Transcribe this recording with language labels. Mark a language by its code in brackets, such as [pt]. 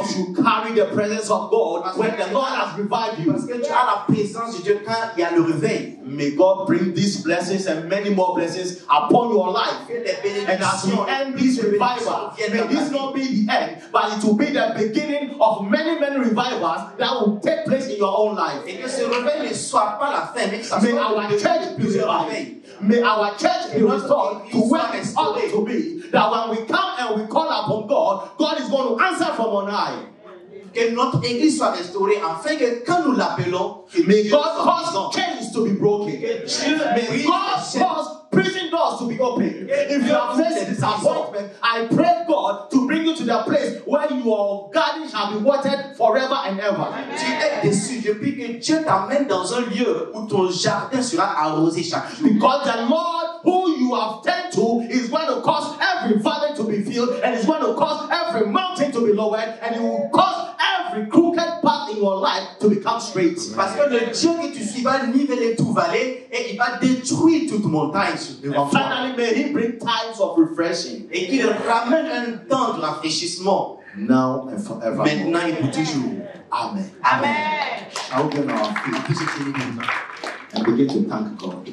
[en] Because you carry the presence of God when the Lord has revived you. [fr] Parce que tu as la présence de Dieu quand il y a le réveil. [en] May God bring these blessings and many more blessings upon your life. And as you end this revival, may this not be the end, but it will be the beginning of many, many revivals that will take place in your own life. [fr] Et que ce réveil ne soit pas la fin, mais que ça soit [en] le church be revived. May our church be restored to where it ought to be. That when we come and we call upon God, God is going to answer from on high. [fr] Que notre église soit restaurée afin que quand nous l'appelons, [en] may God cause chains to be broken. [fr] Dieu, [en] may God cause prison doors to be opened. If you are facing disappointment, I pray God to bring you to the place where your garden shall be watered forever and ever. [fr] Tu es déçu, je prie que Dieu t'amène dans un lieu où ton jardin sera arrosé chaque jour. [en] Because the Lord who you have turned to is going to cause every valley to be filled, and is going to cause every mountain to be lowered, and it will cause every crooked path in your life to become straight. [fr] Parce que le Dieu que tu suis va niveler tout vallée et il va détruire toute montagne. [en] And finally, may he bring times of refreshing. [fr] Et qu'il ramène un temps de rafraîchissement. [en] Now and forever. [fr] Maintenant et pour toujours. [en] Amen. Amen. Amen. I will get off. And begin to thank God.